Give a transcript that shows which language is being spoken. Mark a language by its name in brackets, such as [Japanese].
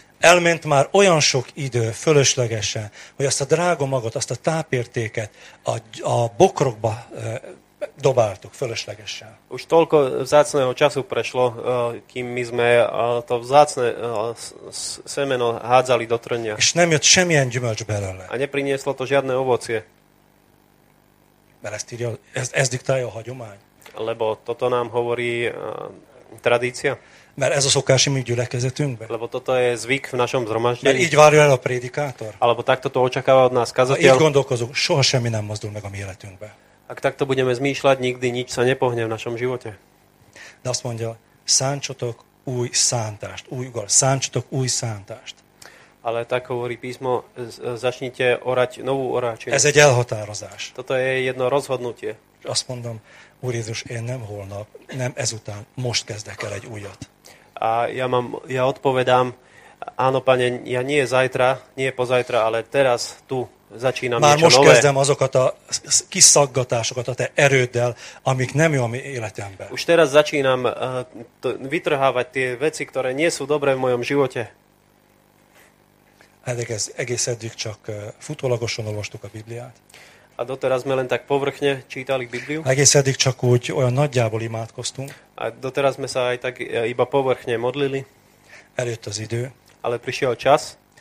[Hungarian] Elment már olyan sok idő fölöslegesen, hogy azt a drága magot, azt a tápértéket a bokrokba dobáltuk fölöslegesen. [Slovak] Už toľko vzácného času prešlo, kým my sme to vzácne semeno hádzali do trňa. [Hungarian] És nem jött semmilyen gyümölcs belőle. [Slovak] A neprinieslo to žiadne ovocie. [Hungarian] Mert ezt diktálja a hagyomány. [Slovak] Lebo toto nám hovorí tradícia? [Hungarian] Mert ez a szokás a mi gyülekezetünkben. [Slovak] Lebo toto je zvyk v našom zhromaždení. [Hungarian] Mert így várja el a prédikátor. [Slovak] Alebo takto to očakáva od nás kazateľ. [Hungarian] A így gondolkozunk, soha semmi nem mozdul meg a mi életünkben. [Slovak] Ak takto budeme zmýšľať, nikdy nič sa nepohne v našom živote. [Hungarian] De azt mondja, szántsatok új szántást. Új ugar, szántsatok új szántást. [Slovak] Ale tak hovorí písmo, začnite orať novú oráčinu. [Hungarian] Ez egy elhatározás. [Slovak] Toto je jedno rozhodnutie. [Hungarian] Azt mondom, Úr Jézus, én nem holnap, nem ezután, most kezdek el egy újat. [Slovak] A ja odpovedám, áno, pane, ja nie zajtra, nie pozajtra, ale teraz tu začínam [Hungarian] Már [Slovak] niečo nové. [Hungarian] Már most kezdem azokat a kiszaggatásokat a te erőddel, amik nem jó a mi életemben. [Slovak] Už teraz začínam vytrhávať tie veci, ktoré nie sú dobré v mojom živote. [Hungarian] Eddig ez egész eddig csak futólagosan olvastuk a Bibliát. [Slovak] A doteraz sme len tak povrchne čítali Bibliu. [Hungarian] Egész eddig csak úgy olyan nagyjából imádkoztunk. [Slovak] A doteraz sme sa aj tak iba povrchne modlili. [Hungarian] Eljött az idő. [Slovak] Ale prišiel čas.